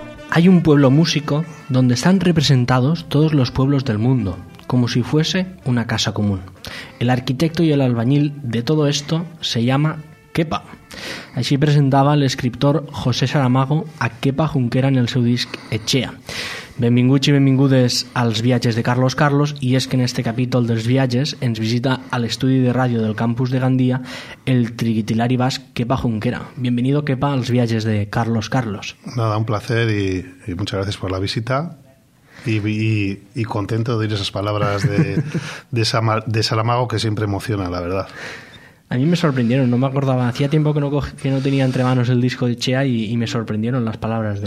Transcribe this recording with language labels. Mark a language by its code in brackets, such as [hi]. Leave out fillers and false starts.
[es] Hay un pueblo músico donde están representados todos los pueblos del mundo, como si fuese una casa común. El arquitecto y el albañil de todo esto se llama Kepa. [ca] Així presentava l'escriptor José Saramago a Kepa Junquera en el seu disc Etxea. Benvinguts i benvingudes als viatges de Carlos Carlos, i és que en este capítol dels viatges ens visita a l'estudi de ràdio del campus de Gandia el triquitilari basc Kepa Junquera. [es] Bienvenido, [ca] Kepa, als viatges de Carlos Carlos. [es] Nada, un placer y muchas gracias por la visita. Y contento de oír esas palabras de Saramago, que siempre emociona, la verdad. A mí me sorprendieron, no me acordaba. Hacía tiempo que no tenía entre manos el disco de Chea y me sorprendieron las palabras de